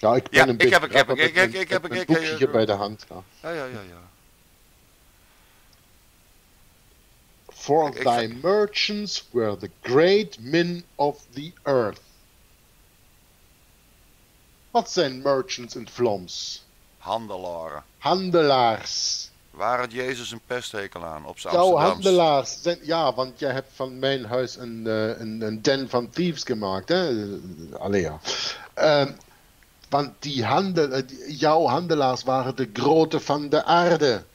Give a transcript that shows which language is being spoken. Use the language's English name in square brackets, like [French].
[Dutch] Ja, ik ben een boekje hier bij de hand. Ja. [English] For thy merchants were the great men of the earth. [Dutch] Wat zijn merchants in Vlaams? Handelaren. Handelaars. Waar had Jezus een pesthekel aan op zijn Amsterdams? Jouw handelaars. Ja, want jij hebt van mijn huis een den van thieves gemaakt, hè? Allee, ja. Want die jouw handelaars waren de grote van de aarde.